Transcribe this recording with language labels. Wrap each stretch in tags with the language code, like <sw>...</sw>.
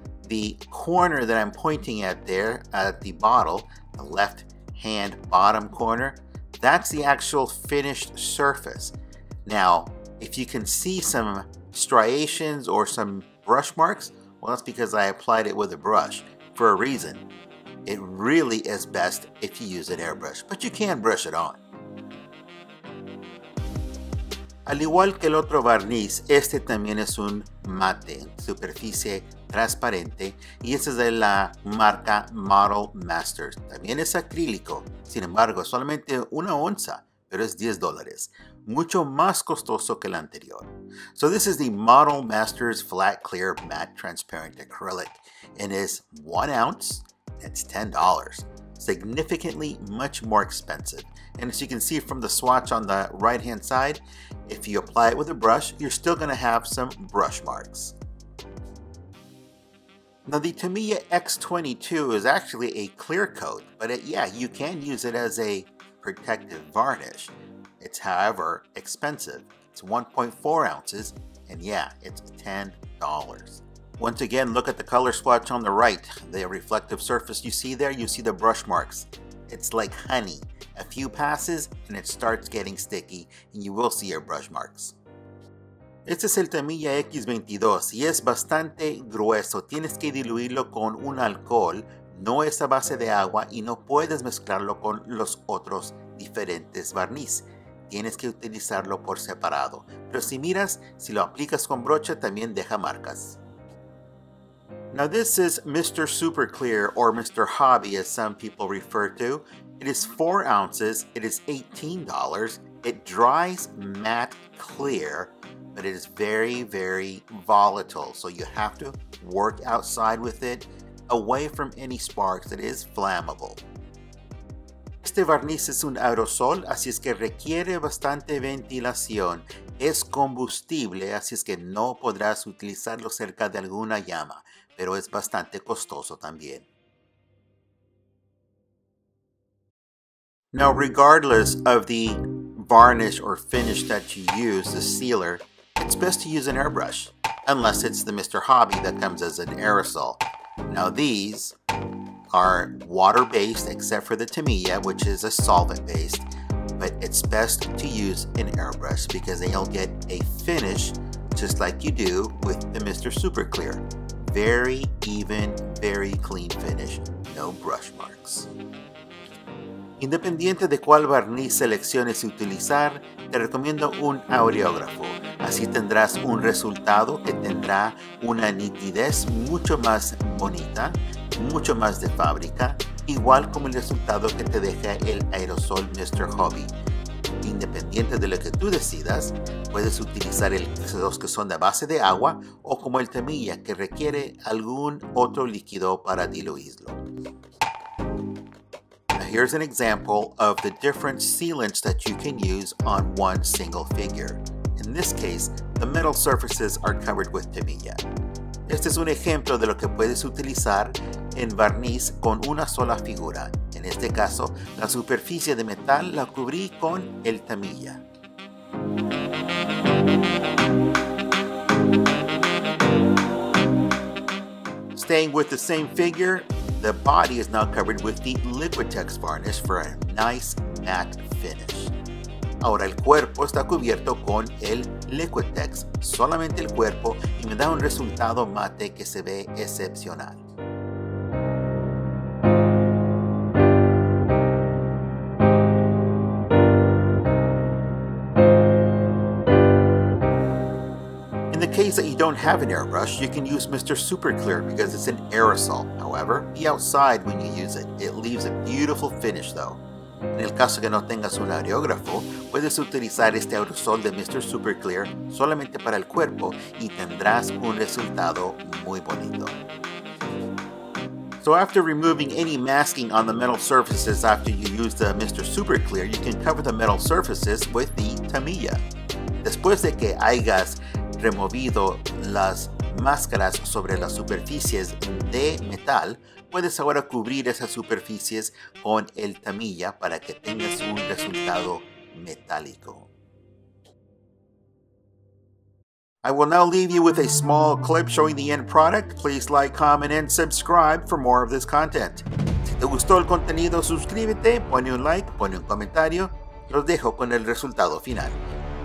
<en>The corner that I'm pointing at there at the bottle, the left hand bottom corner, that's the actual finished surface. Now, if you can see some striations or some brush marks, well, that's because I applied it with a brush for a reason. It really is best if you use an airbrush, but you can brush it on.</en> <es>Al igual que el otro barniz, este también es un mate, superficie transparente, y este es de la marca Model Masters. También es acrílico, sin embargo, solamente una onza, pero es $10. Mucho más costoso que el anterior.</es> <en>So this is the Model Masters Flat Clear Matte Transparent Acrylic and is 1 ounce, it's $10. Significantly much more expensive. And as you can see from the swatch on the right hand side, if you apply it with a brush, you're still gonna have some brush marks. Now the Tamiya X22 is actually a clear coat, but you can use it as a protective varnish. It's, however, expensive. It's 1.4 ounces, and yeah, it's $10. Once again, look at the color swatch on the right, the reflective surface you see there, you see the brush marks. It's like honey. A few passes, and it starts getting sticky, and you will see your brush marks.</en> <es>Este es el Tamiya X22, y es bastante grueso. Tienes que diluirlo con un alcohol. No es a base de agua, y no puedes mezclarlo con los otros diferentes barniz. Tienes que utilizarlo por separado. Pero si miras, si lo aplicas con brocha, también deja marcas.</es> <en>Now this is Mr. Super Clear, or Mr. Hobby, as some people refer to. It is 4 ounces, it is $18. It dries matte clear, but it is very, very volatile. So you have to work outside with it, away from any sparks. It is flammable.</en> <es>Este barniz es un aerosol, así es que requiere bastante ventilación. Es combustible, así es que no podrás utilizarlo cerca de alguna llama, pero es bastante costoso también.</es> <en>Now, regardless of the varnish or finish that you use, the sealer, it's best to use an airbrush, unless it's the Mr. Hobby that comes as an aerosol. Now, these are water-based except for the Tamiya, which is a solvent-based, but it's best to use an airbrush because they'll get a finish just like you do with the Mr. Super Clear. Very even, very clean finish, no brush marks.</en> <es>Independiente de cuál barniz selecciones utilizar, te recomiendo un aureógrafo. Así tendrás un resultado que tendrá una nitidez mucho más bonita, mucho más de fábrica, igual como el resultado que te deja el aerosol Mr. Hobby. Independiente de lo que tú decidas, puedes utilizar los que son de base de agua o como el Tamiya, que requiere algún otro líquido para diluirlo.</es> <en>Here's an example of the different sealants that you can use on one single figure. In this case, the metal surfaces are covered with Tamiya.</en> <es>Este es un ejemplo de lo que puedes utilizar en barniz con una sola figura. En este caso, la superficie de metal la cubrí con el Tamiya.</es> <en>Staying with the same figure, the body is now covered with the Liquitex varnish for a nice matte finish.</en> <es>Ahora el cuerpo está cubierto con el Liquitex, solamente el cuerpo, y me da un resultado mate que se ve excepcional.</es> <en>That you don't have an airbrush, you can use Mr. Super Clear because it's an aerosol. However, be outside when you use it. It leaves a beautiful finish though.</en> <es>En el caso que no tengas un aerógrafo, puedes utilizar este aerosol de Mr. Super Clear solamente para el cuerpo y tendrás un resultado muy bonito.</es> <en>So after removing any masking on the metal surfaces after you use the Mr. Super Clear, you can cover the metal surfaces with the Tamiya.</en> <es>Después de que hayas removido las máscaras sobre las superficies de metal, puedes ahora cubrir esas superficies con el Tamiya para que tengas un resultado metálico.</es> <en>I will now leave you with a small clip showing the end product. Please like, comment, and subscribe for more of this content.</en> <es>Si te gustó el contenido, suscríbete, pone un like, pone un comentario. Los dejo con el resultado final.</es>